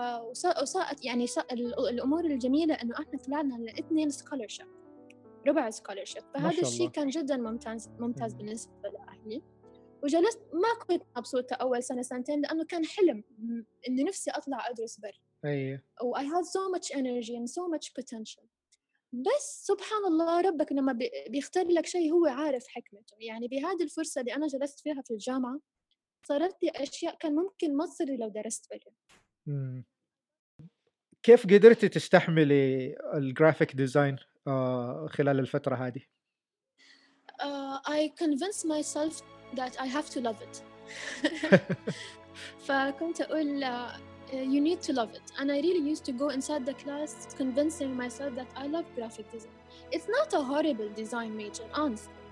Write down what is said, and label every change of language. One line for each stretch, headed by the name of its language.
Arabic: وصارت يعني الأمور الجميلة إنه إحنا طلعنا لاثنين scholarship ربع scholarship، فهذا الشيء كان جدا ممتاز بالنسبة لأهلي. وجلست ما كنت مبسوطة أول سنة سنتين لأنه كان حلم إني نفسي أطلع أدرس برا.
English: و I had so much energy and so much potential.
Arabic: بس سبحان الله ربك لما بيختار لك شيء هو عارف حكمته. يعني بهذه الفرصة اللي أنا جلست فيها في الجامعة صارت لي أشياء كان ممكن مصري لو درست برا. كيف قدرتي تستحملي الجرافيك ديزاين خلال الفترة هذه؟
English: I convinced myself that I have to love it.
Arabic: فكنت أقول
English: you need to love it. And I really used to go inside the class convincing myself that I love graphic design. It's not a horrible design major, honestly.